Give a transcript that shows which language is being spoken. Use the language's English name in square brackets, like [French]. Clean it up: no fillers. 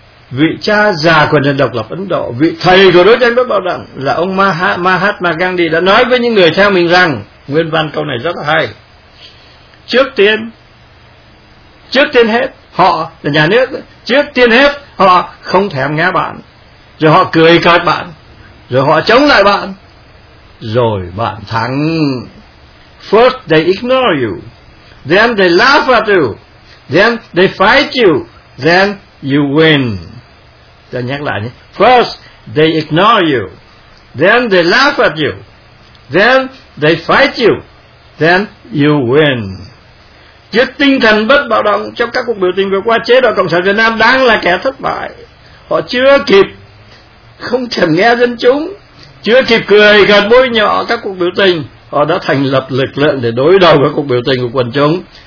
[Vietnamese] Vị cha già của nền độc lập Ấn Độ, vị thầy của đấu tranh bất bạo động là ông Mahatma Gandhi đã nói với những người theo mình rằng, nguyên văn câu này rất hay: trước tiên hết họ là nhà nước, trước tiên hết họ không thèm nghe bạn, rồi họ cười cợt bạn, rồi họ chống lại bạn, rồi bạn thắng. [English] First they ignore you, then they laugh at you, then they fight you, then you win. [Vietnamese] Tôi nhắc lại nhé. [English] First they ignore you, then they laugh at you, then they fight you, then you win. [Vietnamese] Trước tinh thần bất bạo động trong các cuộc biểu tình vừa qua, chế độ Cộng sản Việt Nam đang là kẻ thất bại. Họ chưa kịp không thèm nghe dân chúng, chưa kịp cười gần bôi nhọ các cuộc biểu tình, họ đã thành lập lực lượng để đối đầu với cuộc biểu tình của quần chúng.